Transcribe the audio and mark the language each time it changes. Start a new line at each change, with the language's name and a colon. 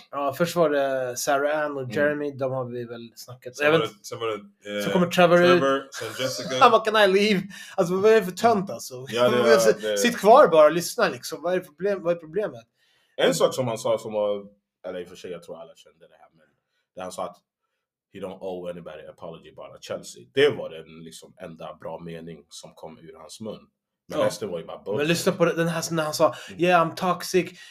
Swedish: Ja, först var det Sarah Ann och Jeremy. De har vi väl snackat. Sen var det så kommer Trevor. Trevor, sen Jessica. Vad kan
English: I leave?
Swedish: Alltså, vad är det för tönt alltså? Sitt kvar bara och lyssna liksom. Vad är problemet? En sak som han sa som var... Eller i och för sig, jag tror alla kände det här. Men det han sa att...
English: He don't owe anybody an apology, bara Chelsea.
Swedish: Det var den liksom enda bra mening som kom ur hans mun. Men resten var ju bara bullshit. Men lyssna på den här när han sa,
English: yeah, I'm toxic.